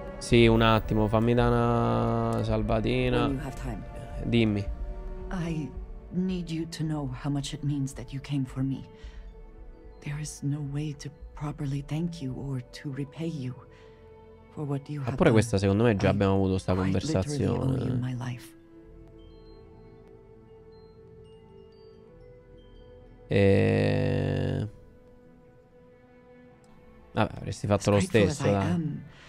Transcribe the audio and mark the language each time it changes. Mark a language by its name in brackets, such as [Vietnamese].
[Italian] Sì, un attimo, fammi dare una salvatina. Dimmi. [English] I need you to know how much it means that you came for me. There is no way to properly thank you or to repay you for what you have done. [Italian] Eppure questa, secondo me, già abbiamo avuto sta conversazione. Vabbè, avresti fatto lo stesso, dai.